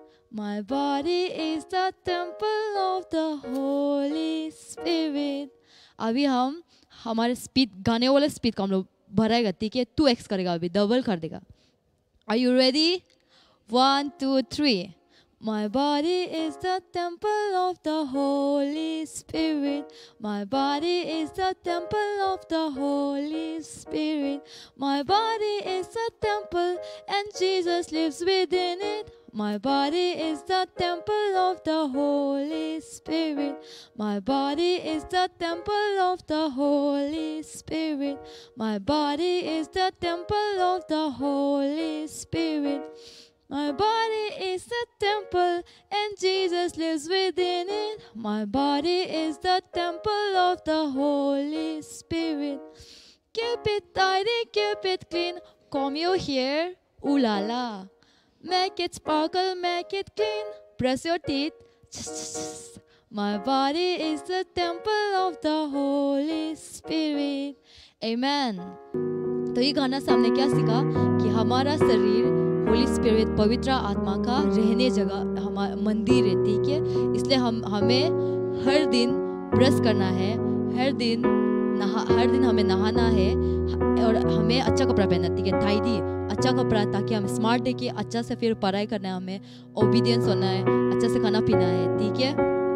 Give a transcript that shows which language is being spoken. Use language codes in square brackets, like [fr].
[en] My body is a temple of the Holy Spirit. [hi] Abhi hum हमारे speed, गाने वाले speed को हम लोग भराएगा, ठीक है। 2x करेगा, अभी डबल कर देगा। [en] Are you ready? 1, 2, 3 My body is the temple of the Holy Spirit. My body is the temple of the Holy Spirit. My body is the temple and Jesus lives within it. My body is the temple of the Holy Spirit. My body is the temple of the Holy Spirit. My body is the temple of the Holy Spirit. My body is the temple and Jesus lives within it. My body is the temple of the Holy Spirit. Keep it tidy, keep it clean. Comb your hair, ooh la la. Make it sparkle, make it clean. Brush your teeth. My body is the temple of the Holy Spirit. Amen. [hi] तो ये गाना सामने क्या सीखा कि हमारा शरीर Holi spirit, पवित्र आत्मा का रहने जगह, हमारा मंदिर है, ठीक है। इसलिए हमें हर दिन ब्रश करना है, हर दिन हमें नहाना है, और हमें अच्छा कपड़ा पहनना, ठीक है, टाइडी अच्छा कपड़ा, ताकि हम स्मार्ट देखे, अच्छा से फिर पढ़ाई करना है, हमें ओबीडियंस होना है, अच्छा से खाना पीना है, ठीक है।